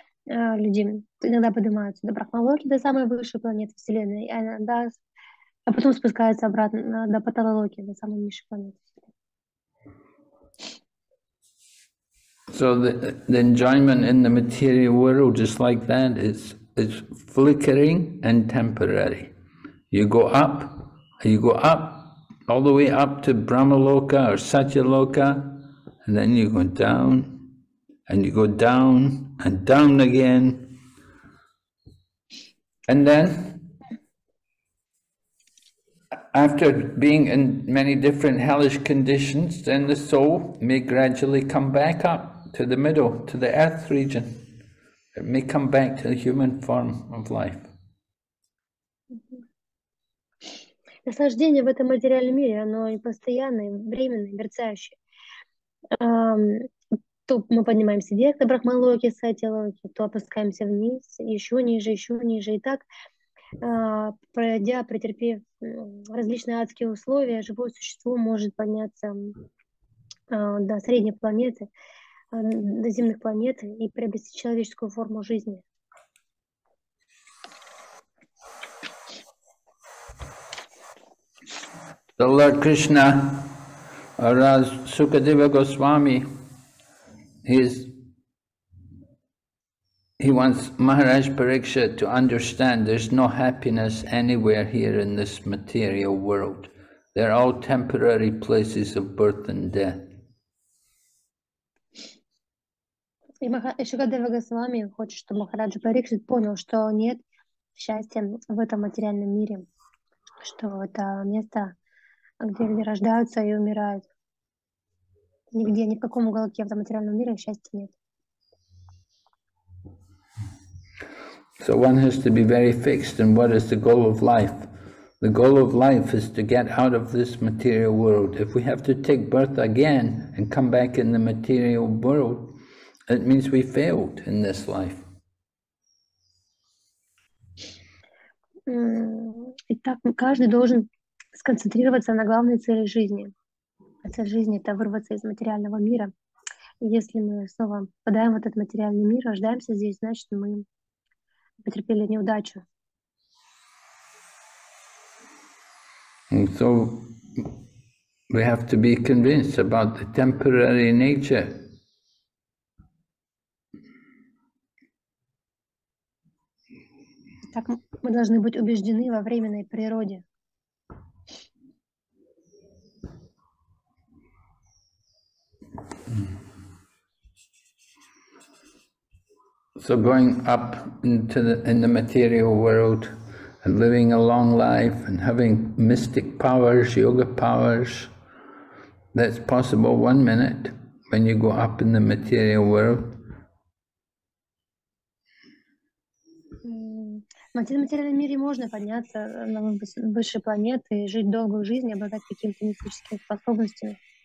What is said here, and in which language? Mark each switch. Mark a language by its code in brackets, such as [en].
[ru] люди иногда поднимаются до Брахмалоки, до самой высшей планеты Вселенной, иногда, а потом спускаются обратно до Паталалоки, до самой низшей планеты. [en] So the enjoyment in the material world, just like that, is flickering and temporary. You go up, all the way up to Brahmaloka or Satyaloka, and then you go down, and you go down, and down again, and then, after being in many different hellish conditions, then the soul may gradually come back up to the middle, to the earth region. It may come back to the human form of life. [ru] Наслаждение в этом материальном мире, оно и постоянное, и временное, и мерцающее. То мы поднимаемся вверх на Брахмалоке, Сатьялоке, то опускаемся вниз, еще ниже, и так, пройдя, претерпев различные адские условия, живое существо может подняться до средней планеты, до земных планет и приобрести человеческую форму жизни. [en] So Lord Krishna, or as Sukadeva Goswami, he wants Maharaj Parikshit to understand there's no happiness anywhere here in this material world. They're all temporary places of birth and death. [ru] И Сукадева Госвами хочет, чтобы Махараджа Парикшит понял, что нет счастья в этом материальном мире, что это место, где люди рождаются и умирают. Нигде, ни в каком уголке в этом материальном мире счастья нет. [en] So one has to be very fixed in what is the goal of life. The goal of life is to get out of this material world. If we have to take birth again and come back in the material world, it means we failed in this life. [ru] Итак, каждый должен сконцентрироваться на главной цели жизни. Цель жизни – это вырваться из материального мира. Если мы снова попадаем в этот материальный мир, рождаемся здесь, значит, мы потерпели неудачу. [en] And so we have to be convinced about the temporary nature. [ru] Так мы должны быть убеждены во временной природе. [en] So going up into the material world and living a long life and having mystic powers, yoga powers, that's possible 1 minute when you go up in the material world. [ru] В материальном мире можно подняться на высшие планеты и жить долгую жизнь, обладать какими-то мистическими способностями.